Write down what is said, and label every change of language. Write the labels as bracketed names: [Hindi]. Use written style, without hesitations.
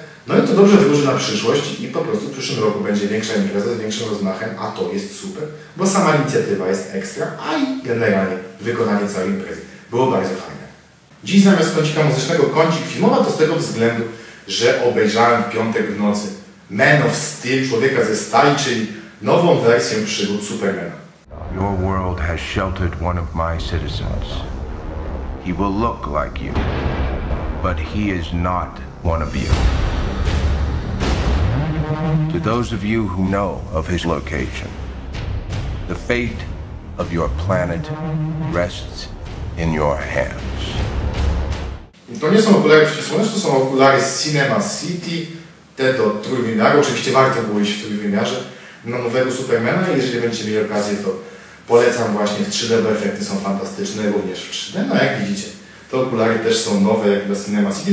[Polish] No i to dobrze wróży na przyszłość i po prostu w przyszłym roku będzie większa impreza z większym rozmachem, a to jest super, bo sama inicjatywa jest ekstra, a i generalnie wykonanie całej imprezy było bardzo fajne. Dziś zamiast kącika muzycznego kącik filmowa, to z tego względu, że obejrzałem w piątek w nocy Man of Steel, Człowieka ze Stali, czyli nową wersję przygód Supermana. [English] Your world has sheltered one of my citizens. He will look like you, but he is not one of you. To those of you who know of his location, the fate of your planet rests in your hands. [Polish] To nie są okulary przeciwsłoneczne, to są okulary z Cinema City, te do trójwymiaru. Oczywiście warto było iść w trójwymiarze na nowego Supermana, jeżeli będziecie mieli okazję, to polecam właśnie w 3D, bo efekty są fantastyczne, również w 3D. No jak widzicie, te okulary też są nowe, jak do Cinema City.